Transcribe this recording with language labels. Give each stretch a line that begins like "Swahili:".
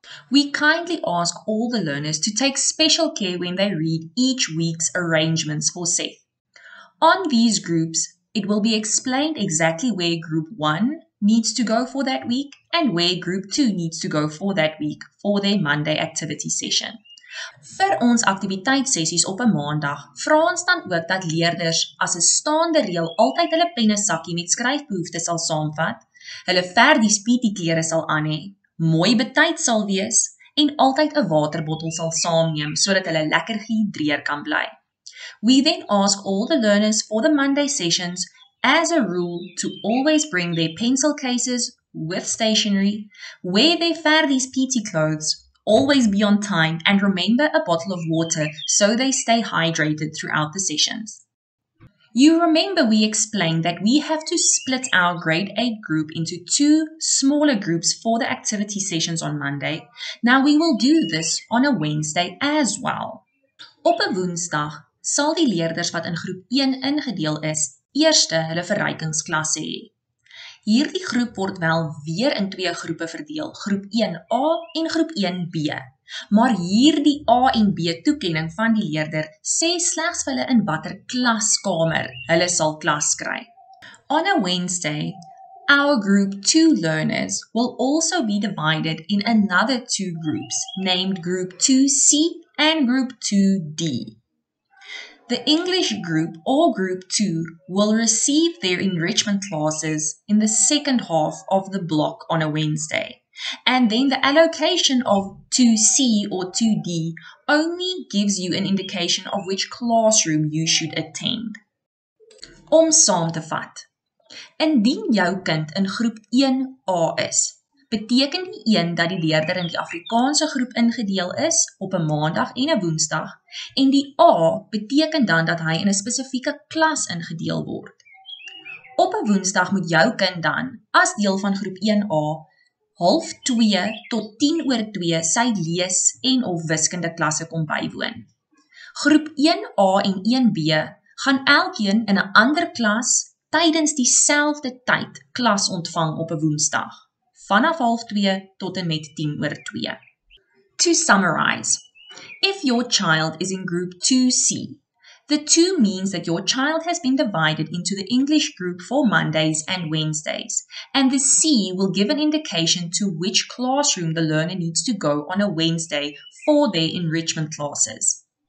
English: We kindly ask all the learners to take special care when they read each week's arrangements for Seth. On these groups, it will be explained exactly where Group 1 needs to go for that week and where Group 2 needs to go for that week for their Monday activity session.
Afrikaans: Vir ons aktiwiteitssessies op 'n maandag vra ons dan ook dat leerders as 'n staande reël altyd hulle pennesakkie met skryfbehoeftes sal saamvat, Hulle Ferdies PT-klere sal aan hê, mooi betyd sal wees en altyd 'n waterbottel sal saamneem sodat hulle lekker gehidreer kan bly.
English: We then ask all the learners for the Monday sessions as a rule to always bring their pencil cases with stationery, wear their Ferdies PT clothes, always be on time and remember a bottle of water so they stay hydrated throughout the sessions. You remember we explained that we have to split our grade 8 group into two smaller groups for the activity sessions on Monday. Now we will do this on a Wednesday as well.
Afrikaans: Op 'n Woensdag sal die leerders wat in groep 1 ingedeel is, eerste hulle verrykingsklasse hê. Hierdie groep word wel weer in twee groepe verdeel, groep 1A en groep 1B. Maar hierdie A en B toekenning van die leerder sê slegs vir hulle in watter klaskamer hulle sal klas kry.
English: On a Wednesday, our group 2 learners will also be divided in another two groups, named group 2C and group 2D. The English group or group 2 will receive their enrichment classes in the second half of the block on a Wednesday. And then the allocation of 2C or 2D only gives you an indication of which classroom you should attend.
Afrikaans: Om saam te vat. Indien jou kind in groep 1A is, beteken die een dat die leerder in die Afrikaanse groep ingedeel is op 'n Maandag en 'n Woensdag en die A beteken dan dat hy in 'n spesifieke klas ingedeel word. Op 'n Woensdag moet jou kind dan as deel van groep 1A 1:30 tot 2:10 sy lees en of wiskunde klasse kom bywoon. Groep 1A en 1B gaan elkeen in 'n ander klas tydens dieselfde tyd klas ontvang op 'n Woensdag. Vanaf 1:30 tot en met 2:10.
English: To summarize, if your child is in group 2C, the 2 means that your child has been divided into the English group for Mondays and Wednesdays, and the C will give an indication to which classroom the learner needs to go on a Wednesday for their enrichment classes.